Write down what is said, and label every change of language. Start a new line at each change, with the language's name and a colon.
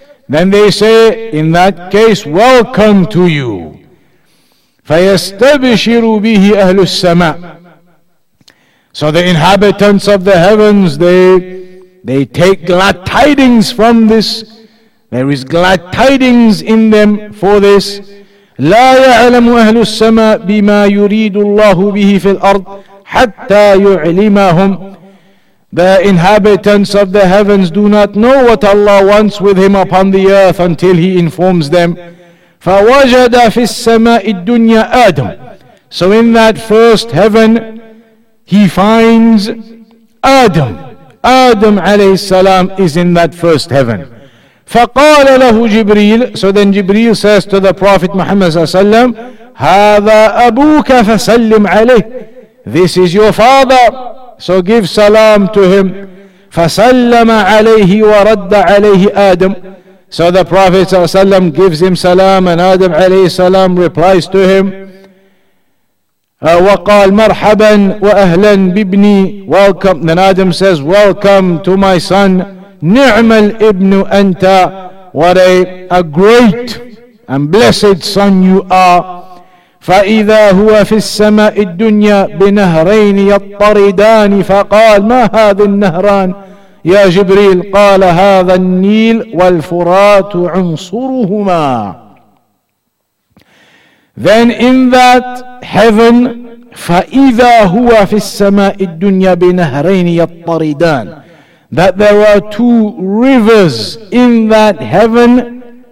English: Then they say, in that case, welcome to you.
Arabic: فَيَسْتَبْشِرُ بِهِ أَهْلُ السَّمَاءِ.
English: So the inhabitants of the heavens, they take glad tidings from this. There is glad tidings in them for this.
Arabic: لا يعلم أهل السماء بما يريد الله به في الأرض حتى يعلمهم.
English: The inhabitants of the heavens do not know what Allah wants with him upon the earth until he informs them.
Arabic: فوجد في السماء الدنيا آدم.
English: So in that first heaven, he finds Adam. Adam alayhi salam is in that first heaven.
Arabic: فَقَالَ لَهُ جِبْرِيلُ
English: So then Jibreel says to the Prophet Muhammad sallallahu alayhi wa sallam,
Arabic: هَذَا أَبُوكَ فَسَلِّمْ عَلَيْهِ
English: This is your father, so give salam to him.
Arabic: فَسَلَّمَ عَلَيْهِ وَرَدَّ عَلَيْهِ آدَمُ
English: So the Prophet sallallahu alayhi wa sallam gives him salam and Adam alayhi salam replies to him.
Arabic: وقال مرحبا وأهلا بابني
English: Welcome. Then Adam says, Welcome to my son.
Arabic: نعم الابن أنت.
English: What a great and blessed son you are.
Arabic: فإذا هو في السماء الدنيا بنهرين يطردان فقال ما هذا النهران يا جبريل قال هذا النيل والفرات عنصرهما
English: Then in that heaven,
Arabic: فَإِذَا هُوَ فِي السَّمَاءِ الدُّنْيَا بِنَهْرَيْنِ يَطَّرِدَانِ
English: That there were two rivers in that heaven.